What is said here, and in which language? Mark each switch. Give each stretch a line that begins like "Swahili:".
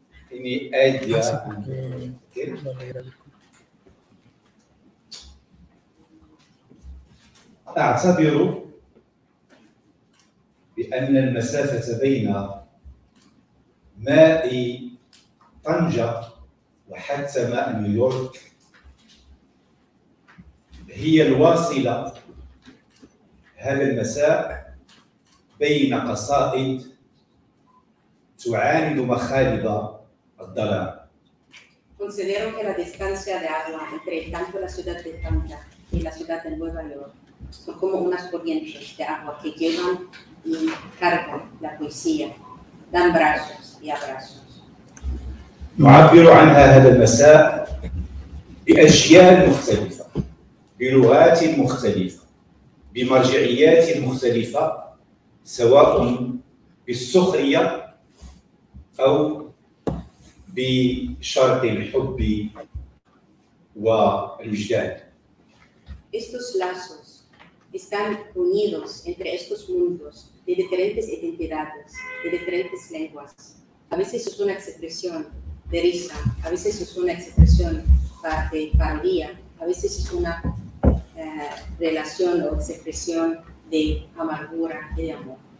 English: In the idea,
Arabic: أعتبر بأن المسافة بين ماء طنجة وحتى ماء نيويورك هي الواصلة هذا المساء بين قصائد تعاند مخالب.
Spanish: Considero que la distancia de agua entre tanto la ciudad de Tanja y la ciudad de Nueva York son como unas corrientes de agua que llevan y cargan la poesía, dan brazos y abrazos.
Arabic: نعبر عنها هذا المساء بأجيال مختلفة، بلغات مختلفة، بمرجعيات مختلفة، سواء بالسخرية أو بشرط الحب والوجدان.
Spanish: Estos lazos están unidos entre estos mundos de diferentes identidades, de diferentes lenguas. A veces es una expresión de risa, a veces es una expresión de paranoia, a veces es una relación o expresión de amargura y de amor.